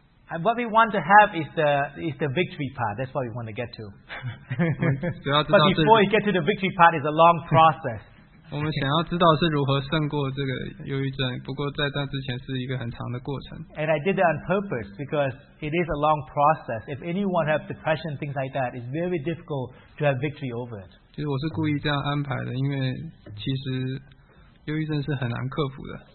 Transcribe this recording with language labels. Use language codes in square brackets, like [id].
[en] And what we want to have is the victory part. That's what we want to get to. But before you get to the victory part, it's a long process. [zh] 我们想要知道是如何胜过这个忧郁症，不过在那之前是一个很长的过程。 [en] And I did that on purpose because it is a long process. If anyone has depression, things like that, it's very difficult to have victory over it. [zh] 其实我是故意这样安排的，因为其实忧郁症是很难克服的。